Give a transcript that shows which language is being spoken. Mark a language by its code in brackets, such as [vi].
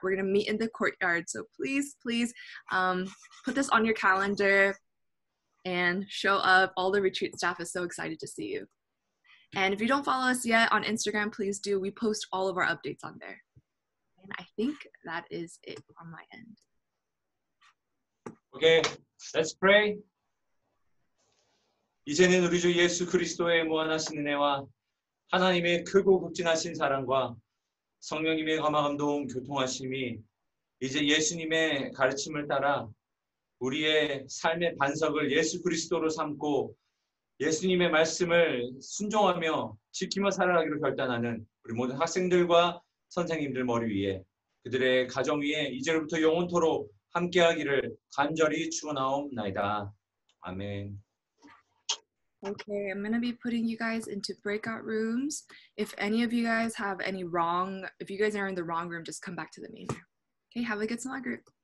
[en] We're gonna meet in the courtyard. So please put this on your calendar and show up. All the retreat staff is so excited to see you. And if you don't follow us yet on Instagram, please do. We post all of our updates on there. And I think that is it on my end. Okay, let's pray. [ko] 이제는 우리 주 예수 그리스도의 무한하신 은혜와 하나님의 크고 극진하신 사랑과 성령님의 감화 감동 교통하심이 이제 예수님의 가르침을 따라 우리의 삶의 반석을 예수 그리스도로 삼고 예수님의 말씀을 순종하며 지키며 살아가기로 결단하는 우리 모든 학생들과 선생님들 머리 위에 그들의 가정 위에 이제부터 영원토록 함께하기를 간절히 축원하옵나이다. 아멘. [en] Okay, I'm going to be putting you guys into breakout rooms. If any of you guys have any wrong, if you guys are in the wrong room, just come back to the main room. Okay, have a good small group.